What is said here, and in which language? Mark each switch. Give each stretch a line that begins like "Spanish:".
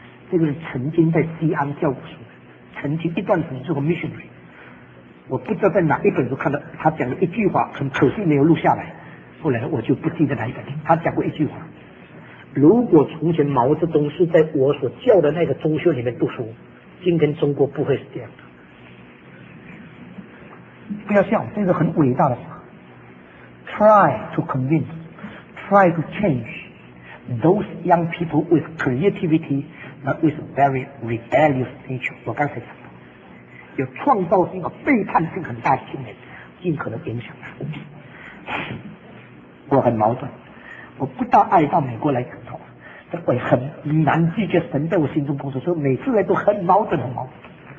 Chinese: 这个人曾经在西安教过书，曾经一段时间做过 missionary， 我不知道在哪一本书看到他讲了一句话，很可惜没有录下来，后来我就不记得哪一本。他讲过一句话，如果从前毛泽东是在我所教的那个中学里面读书，今天中国不会是这样的。不要笑，这是很伟大的话。
English: Try to convince, try to change those young people with creativity but with a very rebellious nature。
Chinese: 我刚才讲了，有创造性和背叛性很大的青年尽可能影响他。我很矛盾，我不大爱到美国来讲道，但我很难拒绝神在我心中工作，所以每次来都很矛盾很矛盾。